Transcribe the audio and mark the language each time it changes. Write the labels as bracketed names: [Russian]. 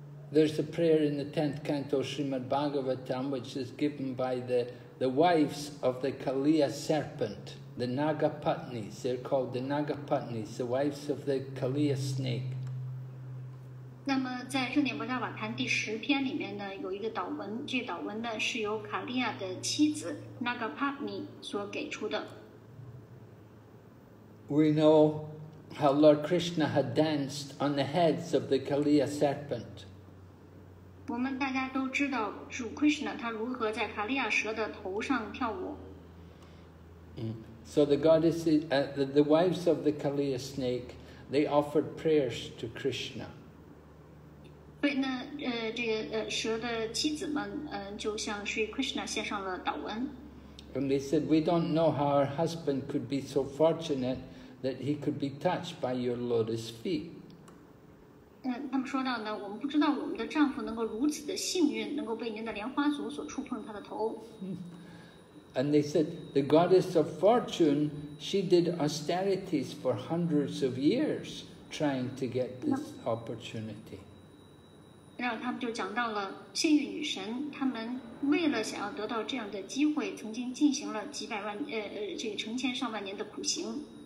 [English] There's a prayer in the 10th canto of Srimad Bhagavatam which is given by the wives of the Kaliya serpent, the Nagapatnis. They're called the Nagapatnis, the wives of the Kaliya snake. [Chinese] 那么在《圣典摩达瓦坛》第十篇里面呢，有一个祷文，这祷文呢是由卡利亚的妻子 Nagapatni 所给出的。 [English] We know how Lord Krishna had danced on the heads of the Kaliya serpent. [Chinese] 我们大家都知道主 Krishna 他如何在卡利亚蛇的头上跳舞。 [English] So the goddess, the wives of the Kaliya snake, they offered prayers to Krishna. [Chinese] 所以呢，蛇的妻子们，就向 Sri Krishna 献上了祷文。 [English] And they said, "We don't know how our husband could be so fortunate that he could be touched by your lotus feet." [Chinese] 他们说到呢，我们不知道我们的丈夫能够如此的幸运，能够被您的莲花足所触碰他的头。 [English] And they said the goddess of fortune, she did austerities for hundreds of years trying to get this opportunity. [Chinese] 然后他们就讲到了幸运女神，他们为了想要得到这样的机会，曾经进行了几百万这个成千上万年的苦行。